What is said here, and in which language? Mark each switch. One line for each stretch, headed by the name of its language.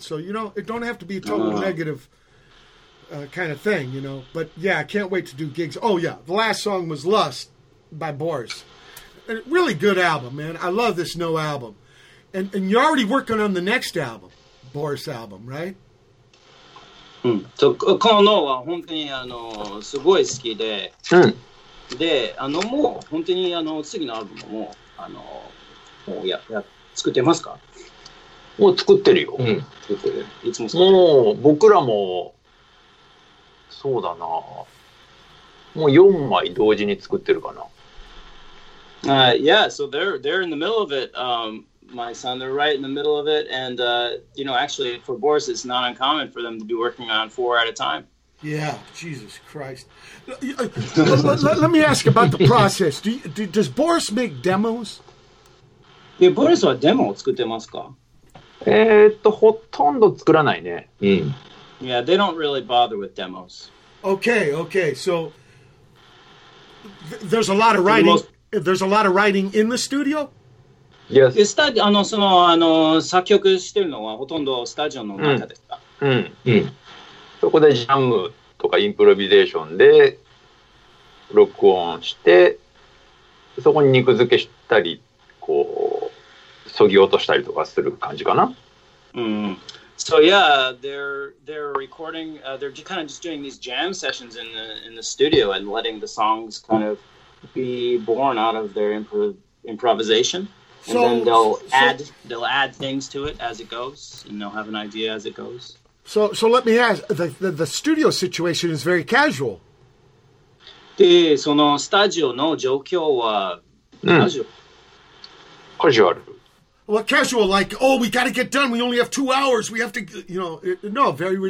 English: So, you know, it don't have to be a total negative kind of thing, you know. But, yeah, I can't wait to do gigs. Oh, yeah. The last song was Lust by Boris. a really good album, man. I love this new album. And you're already working on the next album, Boris album, right?
Japanese: うん。このの本当にすごい好きで、もう本当に次のアルバムも、もう作ってますか？もう作ってるよ。もう僕らも、そうだな。もう4枚同時に作ってるかな。
English: Yeah, so they're in the middle of it. My son, they're right in the middle of it, and you know, actually, for Boris, it's not uncommon for them to be working on four at a time. Yeah, Jesus Christ. let me ask about the process. Does Boris make demos? Yeah,
Japanese: Boris はデモを作ってますか? ほとんど作らないね。
English: Yeah, they don't really bother with demos. Okay. So there's a lot of writing. There's a lot of writing in the studio. Yes.
Japanese: その作曲してるのはほとんどスタジオの中ですか。そこでジャムとかインプロビゼーションで録音して、そこに肉付けしたり、こう、そぎ落としたりとかする感じかな。
English: So yeah, they're recording, they're kind of just doing these jam sessions in the studio and letting the songs kind of be born out of their improvisation. And then they'll add things to it as it goes, and they'll have an idea as it goes. So let me ask, the studio situation is very casual.
Japanese: で、そのスタジオの状況は、
English: casual. Well, casual, like, oh, we got to get done, we only have 2 hours, we have to, you know, no, very relaxed.